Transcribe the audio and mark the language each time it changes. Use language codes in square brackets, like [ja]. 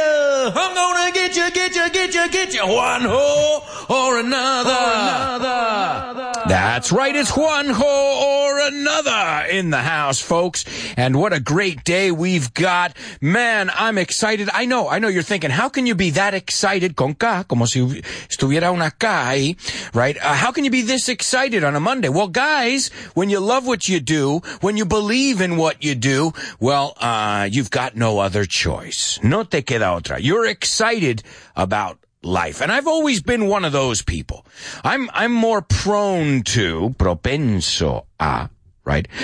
[en] I'm going to get you. One ho or another. That's right, it's Juanjo or another in the house, folks. And what a great day we've got. Man, I'm excited. I know you're thinking, how can you be that excited? [es] Con K, como si estuviera una K, right? [en] How can you be this excited on a Monday? Well, guys, when you love what you do, when you believe in what you do, well, you've got no other choice. [es] No te queda otra. [en] You're excited about life. And I've always been one of those people. I'm more prone to, [es] propenso a, [en] right?